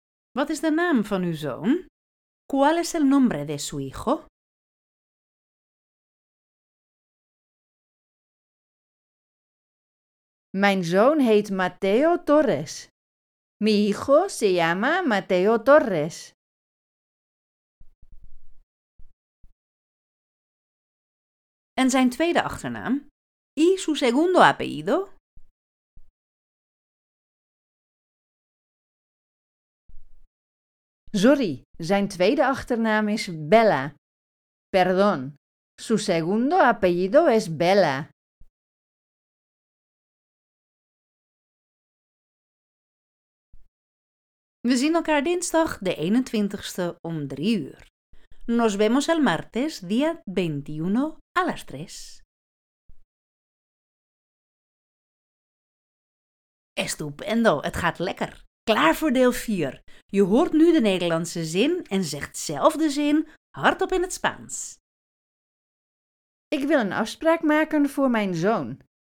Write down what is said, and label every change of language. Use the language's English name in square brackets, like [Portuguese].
[Dutch] Wat is de naam van uw zoon? [Spanish] ¿Cuál es el nombre de su hijo? [Dutch] Mijn zoon heet Mateo Torres. [Spanish] Mi hijo se llama Mateo Torres. [Dutch] En zijn tweede achternaam? [Spanish] ¿Y su segundo apellido? [Dutch] Sorry, zijn tweede achternaam is Bella. [Spanish] Perdón, su segundo apellido es Bella. [Dutch] We zien elkaar dinsdag de 21ste om 3:00. [Spanish] Nos vemos el martes día 21 a las 3:00. [Dutch] Estupendo, het gaat lekker. Klaar voor deel 4. Je hoort nu de Nederlandse zin en zegt zelf de zin hardop in het Spaans. Ik wil een afspraak maken voor mijn zoon.